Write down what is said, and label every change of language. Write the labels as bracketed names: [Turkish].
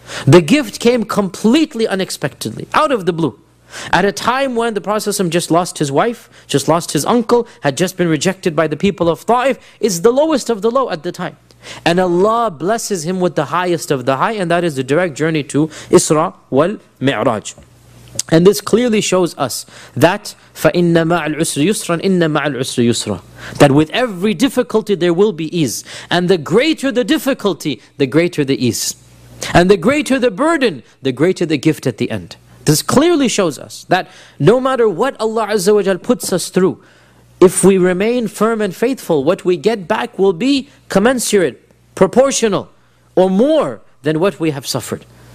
[English] The gift came completely unexpectedly, out of the blue. At a time when the Prophet ﷺ just lost his wife, just lost his uncle, had just been rejected by the people of Ta'if, is the lowest of the low at the time. And Allah blesses him with the highest of the high, and that is the direct journey to Isra wal Mi'raj. And this clearly shows us that [Arabic] فَإِنَّ مَعَ الْعُسْرِ يُسْرًا إِنَّ مَعَ الْعُسْرِ يُسْرًا. [English] That with every difficulty there will be ease. And the greater the difficulty, the greater the ease. And the greater the burden, the greater the gift at the end. This clearly shows us that no matter what Allah Azza wa Jalla puts us through, if we remain firm and faithful, what we get back will be commensurate, proportional, or more than what we have suffered.